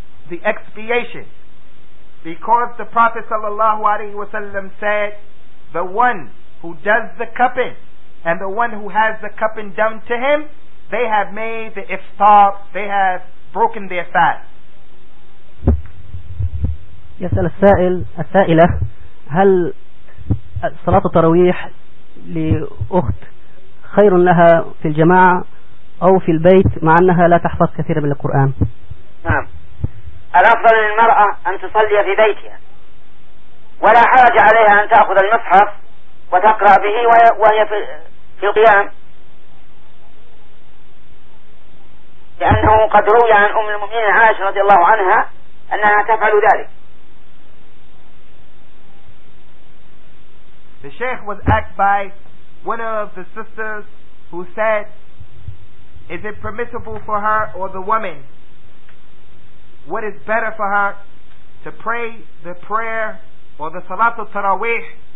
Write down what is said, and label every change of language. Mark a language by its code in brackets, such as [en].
[en] the expiation, because the Prophet sallallahu alaihi wasallam said, the one who does the cupping and the one who has the cupping done to him, they have made the iftar, they have broken their fast. [ar] يسأل السائلة: هل صلاة التراويح لأخت خير لها في الجماعة أو في البيت مع أنها لا تحفظ كثيرا من القرآن؟ نعم. الأفضل للمرأة أن تصلي في بيتها، ولا حرج عليها أن تأخذ المصحف وتقرأ به وهي في القيام، لأنه قد روي عن أم المؤمنين عائشة رضي الله عنها أنها تفعل ذلك. [en] The sheikh was asked by one of the sisters who said, is it permissible for her or the woman? What is better for her, to pray the prayer or the Salatul Taraweeh?